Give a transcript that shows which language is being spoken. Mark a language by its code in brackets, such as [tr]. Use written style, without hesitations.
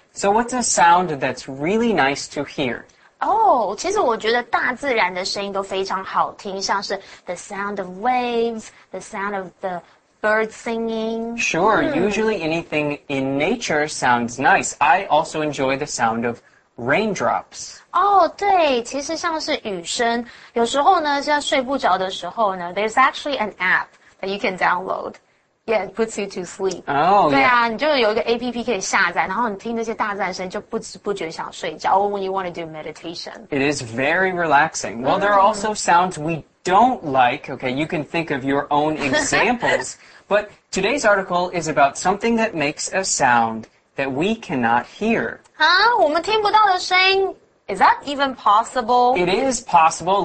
[en] So what's a sound that's really nice to hear? [zh] Oh, 其实我觉得大自然的声音都非常好听，像是 [en] the sound of waves, the sound of the birds singing. Sure, usually anything in nature sounds nice. I also enjoy the sound of raindrops. [zh] Oh, 对，其实像是雨声，有时候呢，像睡不着的时候呢， [en] there's actually an app that you can download. Yeah, it puts you to sleep. Oh, [zh] 对啊、 yeah. 你就有一个 APP 可以下载，然后你听那些大自然声音就不知不觉想睡觉 [en] or when you want to do meditation. It is very relaxing. Well, there are also sounds we don't like. Okay, you can think of your own examples. But today's article is about something that makes a soundthat we cannot hear. Huh? [zh] 我们听不到的声音 [en] Is that even possible? It is possible.